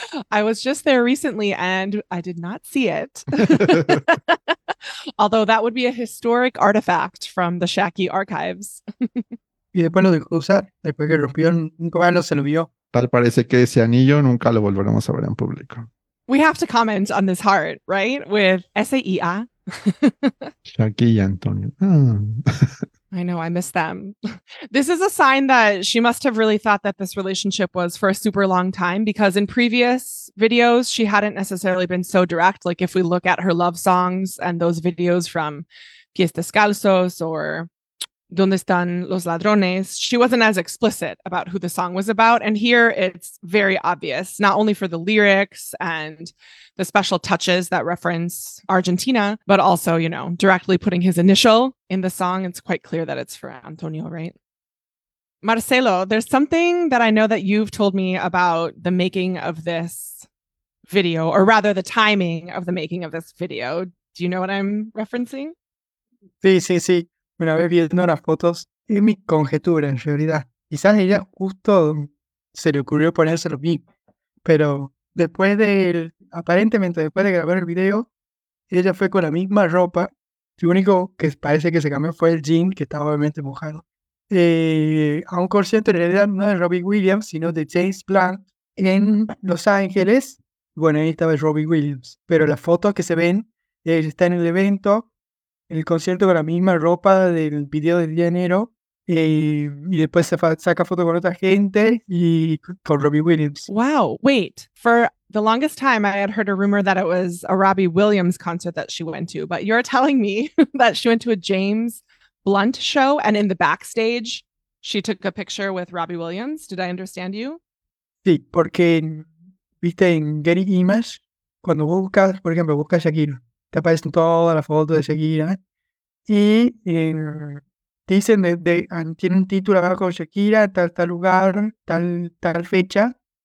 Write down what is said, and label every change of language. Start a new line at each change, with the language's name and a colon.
English: I was just there recently and I did not see it. Although that would be a historic artifact from the Shaki archives.
Spanish: Y después lo dejó usar, después que rompió, nunca lo se lo vio. Tal parece que ese anillo nunca lo volveremos a ver en público.
English: We have to comment on this heart, right? With S-A-I-A.
Spanish: Shaki y Antonio.
English: I know, I miss them. This is a sign that she must have really thought that this relationship was for a super long time, because in previous videos, she hadn't necessarily been so direct. Like if we look at her love songs and those videos from Pies Descalzos or Donde Están Los Ladrones, she wasn't as explicit about who the song was about. And here it's very obvious, not only for the lyrics and the special touches that reference Argentina, but also, you know, directly putting his initial in the song. It's quite clear that it's for Antonio, right? Marcelo, there's something that I know that you've told me about the making of this video, or rather the timing of the making of this video. Do you know what I'm referencing?
Spanish: Sí, sí, sí. Una vez viendo las fotos, es mi conjetura en realidad. Quizás ella justo se le ocurrió ponerse lo mismo. Pero aparentemente después de grabar el video, ella fue con la misma ropa. Lo único que parece que se cambió fue el jean, que estaba obviamente mojado. A un concierto, en realidad, no de Robbie Williams, sino de James Blunt en Los Ángeles. Bueno, ahí estaba Robbie Williams. Pero las fotos que se ven, ella está en el evento, en el concierto con la misma ropa del video del día de enero, y después se saca foto con otra gente y con Robbie Williams.
English: Wow, wait. For the longest time, I had heard a rumor that it was a Robbie Williams concert that she went to, but you're telling me that she went to a James Blunt show and in the backstage, she took a picture with Robbie Williams. Did I understand you?
Spanish: Sí, porque viste en Getty Images, cuando buscas, por ejemplo, buscas Shakira, te aparecen todas las fotos de Shakira y dicen tiene un título abajo de Shakira, tal lugar, tal fecha.